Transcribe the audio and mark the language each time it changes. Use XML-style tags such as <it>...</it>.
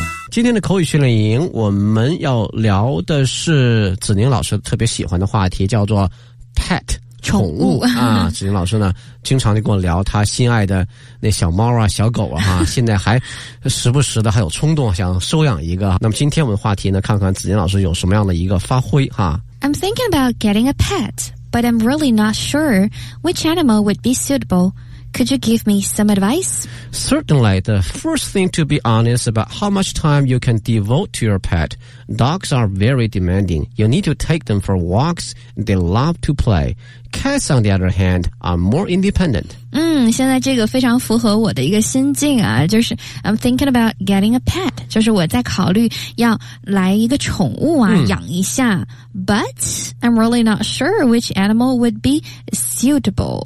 <zh>今天的口语训练营我们要聊的是子宁老师特别喜欢的话题，叫做 pet 宠物啊。子宁老师呢经常就跟我聊他心爱的那小猫啊小狗啊现在还时不时的还有冲动想收养一个。那么今天我们的话题呢，看看子宁老师有什么样的一个发挥哈。</zh> <en>I'm thinking about getting a pet, but I'm really not sure which animal would be suitable. Could you give me some advice? Certainly. The first thing to be honest about how much time you can devote to your pet. Dogs are very demanding. You need to take them for walks. They love to play. Cats, on the other hand, are more independent.</en> <zh>现在这个非常符合我的一个心境啊，就是</zh> <en>I'm thinking about getting a pet.</en> <zh>就是我在考虑要来一个宠物啊，养一下。</zh> <en>But I'm really not sure which animal would be suitable.</en>